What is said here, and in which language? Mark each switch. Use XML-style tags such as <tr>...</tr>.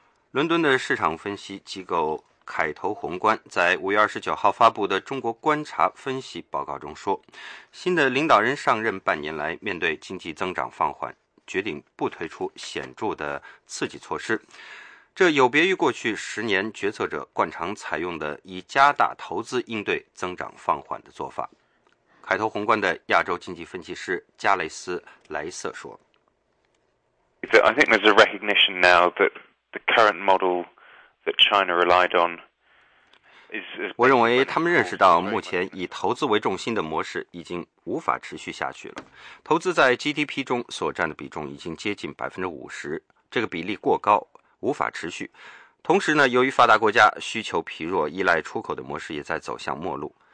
<zh>伦敦的市场分析机构凯投宏观在5月29号发布的中国观察分析报告中说，新的领导人上任半年来，面对经济增长放缓，决定不推出显著的刺激措施，这有别于过去十年决策者惯常采用的以加大投资应对增长放缓的做法。凯投宏观的亚洲经济分析师加雷斯·莱瑟说，</zh> <en>I think there's a recognition now that the current model that China relied on is</en> <zh>我认为他们认识到目前以投资为重心的模式已经无法持续下去了。投资在 GDP 中所占的比重已经接近 50%， 这个比例过高，无法持续。同时呢，由于发达国家需求疲弱，依赖出口的模式也在走向末路。</zh>